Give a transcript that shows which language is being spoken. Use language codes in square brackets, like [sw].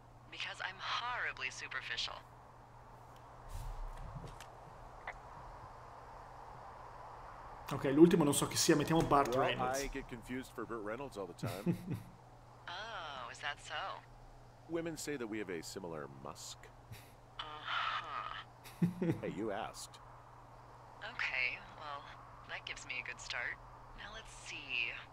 [en] Because I'm horribly superficial. [it] Ok, l'ultimo non so chi sia, mettiamo Burt Reynolds. [en] I get confused for Burt Reynolds all the time. Oh, is that so? Women say that we have a similar musk. Uh-huh. Hey, you asked. Okay, well, that gives me a good start. Now let's see.